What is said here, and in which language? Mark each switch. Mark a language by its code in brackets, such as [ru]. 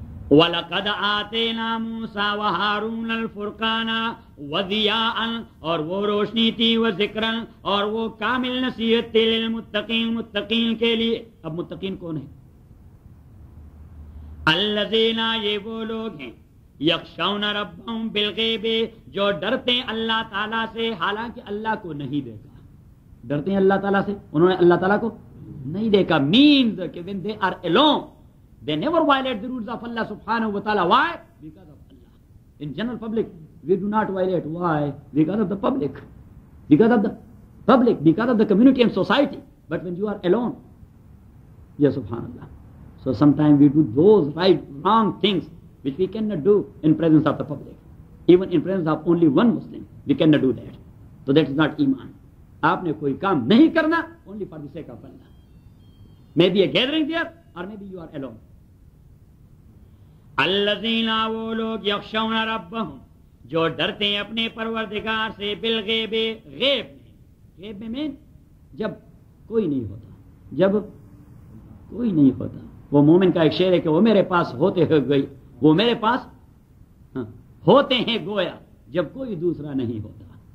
[ar] وَلَقَدْ آتَيْنَا مُوسَى وَهَارُونَ الْفُرْقَانَ وَضِيَاءً [ur] اور وہ روشنی تھی [ar] وَذِكْرًا [ur] اور وہ کامل نصیحت تھی للمتقین متقین کے لیے. اب متقین کون ہے؟ [ar] الَّذِينَ [ur] یہ وہ لوگ ہیں [ar] یخشون ربهم بالغیب [ur] جو ڈرتے ہیں اللہ تعالیٰ سے حالانکہ اللہ کو نہیں دیکھا. ڈرتے ہیں اللہ تعالیٰ سے انہوں نے اللہ تعالیٰ کو نہیں دیکھا. [en] Means کہ when they are alone they never violate the rules of Allah سبحانہ وتعالیٰ. Why? Because of Allah. In general public we do not violate. Why? Because of the public. Because of the public. Because of the community and society. But when you are alone, yes, subhanallah. So sometimes we do those right wrong things which we cannot do in presence of the public. Even in presence of only one Muslim, we cannot do that. So that is not iman. [ur] آپ نے کوئی کام نہیں کرنا [en] only for the sake of Allah. Maybe a gathering there or maybe you are alone. [ar] الَّذِينَ [ur] وہ لوگ [ar] يَخْشَوْنَ رَبَّهُمْ [ur] جو ڈرتے ہیں اپنے پروردگار سے [ar] بِالْغَيْبِ [ur] غیب میں. غیب میں مین جب کوئی نہیں ہوتا. جب کوئی نہیں ہوتا وہ مومن کا ایک شعر ہے کہ وہ میرے پاس ہوتے ہو گئی وہ میرے پاس ہوتے ہیں گویا جب کوئی دوسرا نہیں ہوتا.